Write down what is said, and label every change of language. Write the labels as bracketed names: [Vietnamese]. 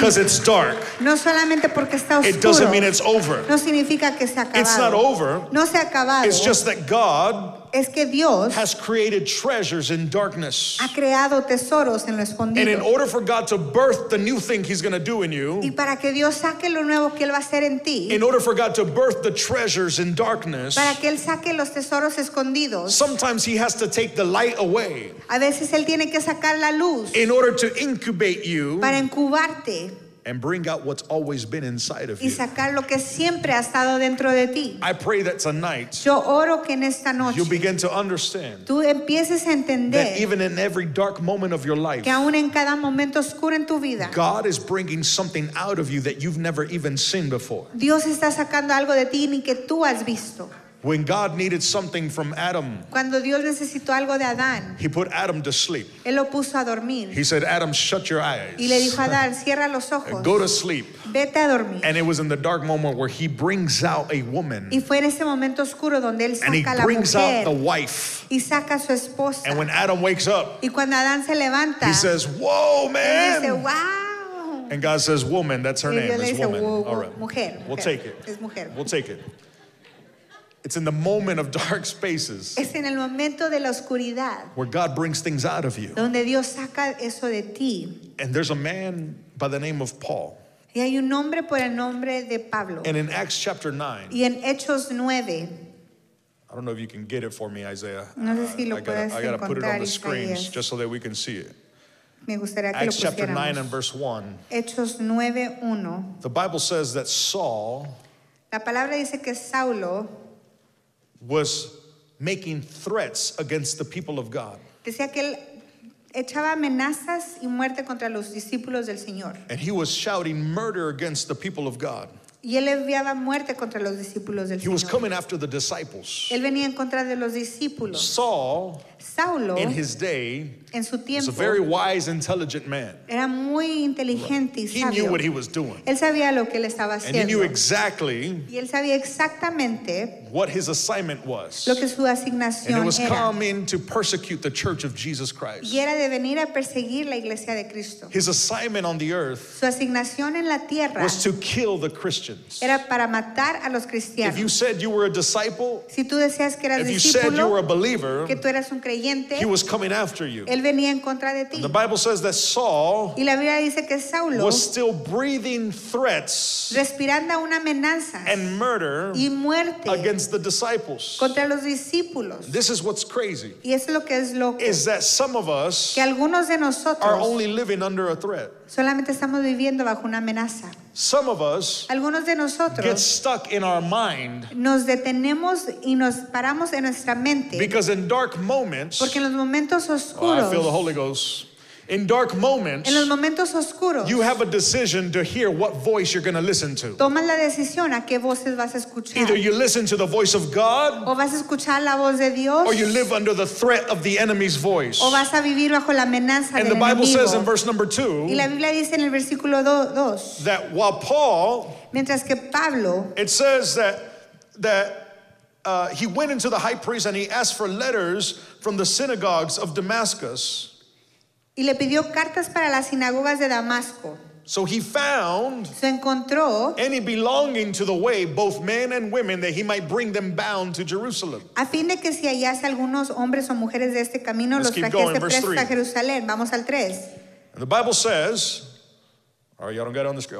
[English] Because it's dark, [Spanish] no solamente porque está oscuro, [English] it doesn't mean it's over. [Spanish] No significa que se ha acabado. [English] It's not over. [Spanish] No se ha acabado. [English] It's just that God, [Spanish] es que Dios, [English] has created treasures in darkness, [Spanish] ha creado tesoros en lo escondido. [English] And in order for God to birth the new thing he's going to do in you, [Spanish] y para que Dios saque lo nuevo que él va a hacer en ti, [English] in order for God to birth the treasures in darkness, [Spanish] para que él saque los tesoros escondidos, [English] sometimes he has to take the light away, [Spanish] a veces él tiene que sacar la luz, [English] in order to incubate you, [Spanish] para incubarte, [English] and bring out what's always been inside of you. [Spanish] Y sacar lo que siempre ha estado dentro de ti. [English] I pray that tonight, [Spanish] yo oro que en esta noche, [English] you begin to understand, [Spanish] tú empieces a entender, [English] that even in every dark moment of your life, [Spanish] que aún en cada momento oscuro en tu vida, [English] God is bringing something out of you that you've never even seen before. [Spanish] Dios está sacando algo de ti ni que tú has visto. [English] When God needed something from Adam, [Spanish] cuando Dios necesitó algo de Adán, [English] he put Adam to sleep. [Spanish] Él lo puso a dormir. [English] He said, Adam, shut your eyes. [Spanish] Y le dijo a Adán, cierra los ojos. [English] Go to sleep. [Spanish] Vete a dormir. [English] And it was in the dark moment where he brings out a woman. [Spanish] Y fue en ese momento oscuro donde él saca [English] and he [Spanish] la [English] brings [Spanish] mujer, [English] out the wife. [Spanish] Y saca su esposa. [English] And when Adam wakes up, [Spanish] y cuando Adán se levanta, [English] he says, whoa, man. [Spanish] Y dice, wow. [English] And God says, woman, that's her [Spanish] y [English] name. [Spanish] Dios [English] it's [Spanish] dice, [English] woman. Whoa, whoa. All right. Mujer, we'll [Spanish] mujer. [English] Take it. [Spanish] Es mujer. [English] We'll take it. It's in the moment of dark spaces, [Spanish] es en el momento de la oscuridad, [English] where God brings things out of you, [Spanish] donde Dios saca eso de ti. [English] And there's a man by the name of Paul. [Spanish] Y hay un hombre por el nombre de Pablo. [English] And in Acts chapter 9, [Spanish] y en Hechos 9, [English] I don't know if you can get it for me, Isaiah. [Spanish] No sé si lo [English] I gotta put it on the screens just so that we can see it. [Spanish] Me gustaría que [English] Acts [Spanish] lo [English] chapter 9 and verse 1, [Spanish] Hechos 9:1. [English] The Bible says that Saul, [Spanish] la palabra dice que Saulo, [English] was making threats against the people of God. [Spanish] Decía que él echaba amenazas y muerte contra los discípulos del Señor. [English] And he was shouting murder against the people of God. [Spanish] Y él enviaba muerte contra los discípulos del [English] he [Spanish] Señor. [English] He was coming after the disciples. [Spanish] Él venía en contra de los discípulos. [English] Saul, [Spanish] Saulo, [English] in his day, [Spanish] en su tiempo, [English] was a very wise, intelligent man. [Spanish] Era muy inteligente y sabio. [English] He knew what he was doing. [Spanish] Él sabía lo que él estaba haciendo. [English] And he knew exactly, [Spanish] y él sabía exactamente, [English] what his assignment was. [Spanish] Lo que su asignación [English] and it was [Spanish] era. [English] Coming to persecute the church of Jesus Christ. [Spanish] Y era de venir a perseguir la iglesia de Cristo. [English] His assignment on the earth, [Spanish] su asignación en la tierra, [English] was to kill the Christians. [Spanish] Era para matar a los cristianos. [English] If you said you were a disciple, [Spanish] si tú decías que eras [English] if you [Spanish] discípulo, [English] said you were a believer, [Spanish] que tú eras un creyente, [English] he was coming after you. [Spanish] Él venía en contra de ti. [English] The Bible says that Saul, [Spanish] y la Biblia dice que Saulo, [English] was still breathing threats, [Spanish] respirando aún amenazas, [English] and murder, [Spanish] y muerte, [English] against the disciples. [Spanish] Contra los discípulos. [English] This is what's crazy. [Spanish] Y es lo que es loco. [English] Is that some of us, [Spanish] que algunos de nosotros, [English] are only living under a threat. [Spanish] Solamente estamos viviendo bajo una amenaza. [English] Some of us, [Spanish] algunos de nosotros, [English] get stuck in our mind. [Spanish] Nos detenemos y nos paramos en nuestra mente. [English] Because in dark moments, [Spanish] porque en los momentos oscuros, [English] oh, I feel the Holy Ghost. In dark moments, [Spanish] en los momentos oscuros, [English] you have a decision to hear what voice you're going to listen to. [Spanish] Toma la decisión a qué voces vas a escuchar. [English] Either you listen to the voice of God, [Spanish] o vas a escuchar la voz de Dios, [English] or you live under the threat of the enemy's voice. [Spanish] O vas a vivir bajo la amenaza [English] and [Spanish] del [English] the Bible [Spanish] enemigo. [English] Says in verse number 2, [Spanish] y la Biblia dice en el versículo 2, [English] that while Paul, [Spanish] mientras que Pablo, [English] it says that he went into the high priest and he asked for letters from the synagogues of Damascus. [Spanish] Y le pidió cartas para las sinagogas de Damasco. [English] So he found [Spanish] se encontró [English] any belonging to the way, both men and women, that he might bring them bound to Jerusalem. [Spanish] A fin de que si hallase algunos hombres o mujeres de este camino, [English] let's [Spanish] los trajese presto a Jerusalén. Vamos al 3. [English] And the Bible says, all right, y'all don't get it on the screen.